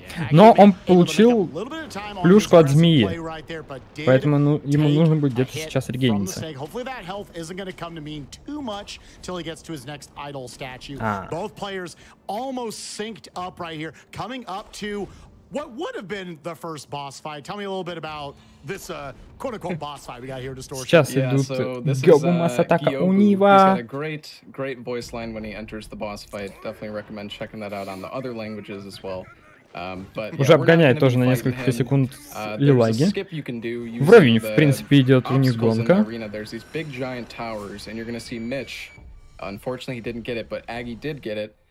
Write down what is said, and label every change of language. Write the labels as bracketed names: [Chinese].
[Russian] Но он получил плюшку от змеи, поэтому ему нужно будет где-то сейчас регениться. [English] What would have been the first boss fight? Tell me a little bit about this quote-unquote boss fight we got here. [Russian] Сейчас идут Гёбу масс-атака у Нива. [English] Great voice line when he enters the boss fight. Definitely recommend checking that out on the other languages as well. But [Russian] уже обгоняет тоже на несколько секунд Лилаги. Вровень, в принципе, идет у них гонка. [English] There's these big giant towers, and you're gonna see Mitch. Unfortunately, he didn't get it, but Aggie did get it.